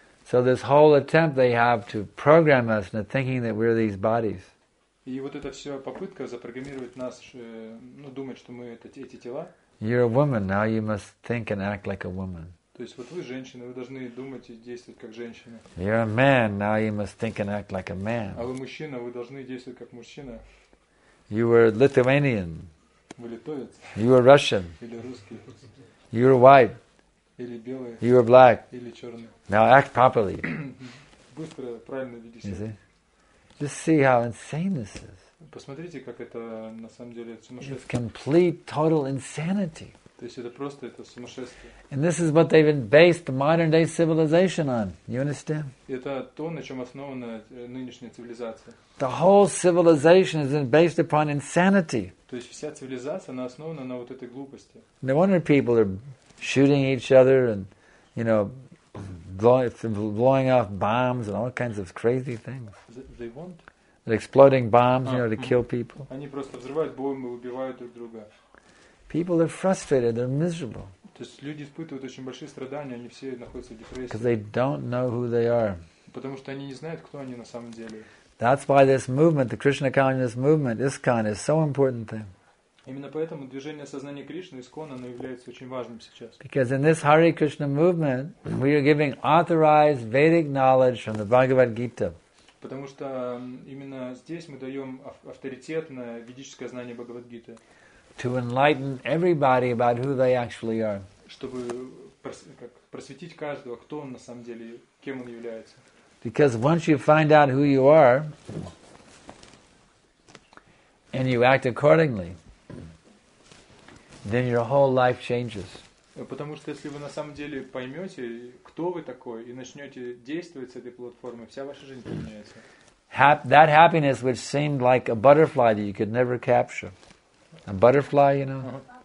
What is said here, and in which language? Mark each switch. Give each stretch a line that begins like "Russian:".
English: So this whole attempt they have to program us into thinking that we're these bodies.
Russian: И вот эта вся попытка запрограммировать нас, ну, думать, что мы это, эти тела.
English: You're a woman, now you must think and act like a woman.
Russian: То есть вот вы женщина, вы должны думать и действовать как женщина.
English: You're a man, now you must think and act like a man.
Russian: А вы мужчина, вы должны действовать как мужчина.
English: You were Lithuanian.
Russian: Вы литовец.
English: You were Russian.
Russian: Или русский.
English: You were white.
Russian: Или белый.
English: You were black.
Russian: Или черный.
English: Now act properly.
Russian: Быстро, правильно веди себя.
English: Just see how insane this is.
Russian: Посмотрите, как это на самом деле сумасшествие.
English: It's complete, total insanity.
Russian: То есть это просто это сумасшествие.
English: And this is what they've based the modern day civilization on. You understand?
Russian: Это то, на чем основана нынешняя цивилизация.
English: The whole civilization is based upon insanity.
Russian: То есть вся цивилизация она основана на вот этой глупости.
English: No wonder people are shooting each other and, you know, blowing off bombs and all kinds of crazy things. They want? They're exploding bombs, you know, to kill people.
Russian: Они просто взрывают бомбы и убивают друг друга.
English: People are frustrated, they're miserable.
Russian: То есть люди испытывают очень большие страдания, они все находятся в депрессии.
English: Because they don't know who they are.
Russian: Потому что они не знают, кто они на самом деле.
English: That's why this movement, the Krishna consciousness movement, ISKCON, is so important thing.
Russian: Именно поэтому движение сознания Кришны, ISKCON, оно является очень важным сейчас.
English: Because in this Hare Krishna movement, we are giving authorized Vedic knowledge from the Bhagavad Gita.
Russian: Потому что именно здесь мы даем авторитетное ведическое знание Бхагавад-гиты.
English: To enlighten everybody about who they actually are.
Russian: Чтобы просветить каждого, кто он на самом деле, кем он является.
English: Because once you find out who you are, and you act accordingly, then your whole life changes.
Russian: Потому что если вы на самом деле поймете, кто вы такой, и начнете действовать с этой платформы, вся ваша жизнь поменяется.
English: That happiness which seemed like a butterfly that you could never capture. A butterfly, you know.